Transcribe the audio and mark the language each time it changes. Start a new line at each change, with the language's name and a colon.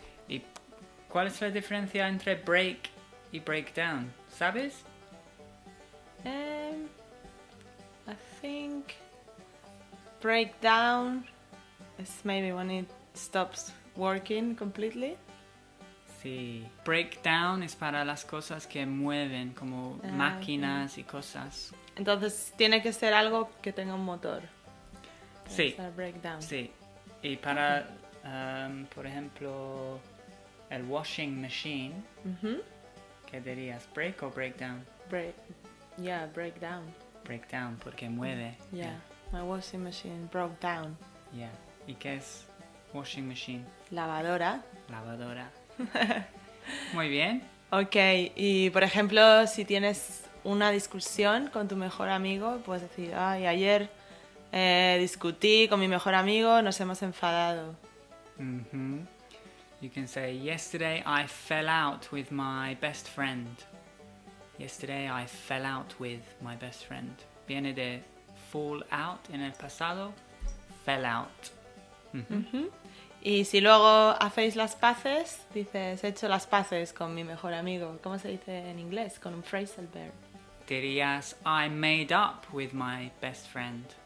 Spanish: ¿Y cuál es la diferencia entre break y breakdown? ¿Sabes?
English: I think breakdown is maybe when it stops working completely.
Spanish: Sí. Breakdown es para las cosas que mueven, como máquinas okay. Y cosas. Entonces, tiene que ser algo que tenga un motor. Sí. Para breakdown. Sí. Y para, por ejemplo, el washing machine, mm-hmm. ¿Qué dirías? ¿Break o breakdown?
English: Breakdown.
Spanish: Breakdown, porque mueve.
English: Yeah. My washing machine broke down.
Spanish: Yeah. ¿Y qué es washing machine? Lavadora. Lavadora. Muy bien. Ok, y por ejemplo, si tienes una discusión con tu mejor amigo, puedes decir, ay, ayer discutí con mi mejor amigo, nos hemos enfadado. Mm-hmm.
English: You can say, yesterday I fell out with my best friend. Yesterday I fell out with my best friend.
Spanish: Viene de fall out en el pasado, fell out. Mm-hmm. Mm-hmm. Y si luego hacéis las paces, dices, he hecho las paces con mi mejor amigo. ¿Cómo se dice en inglés? Con un phrasal verb. Dirías,
English: I made up with my best friend.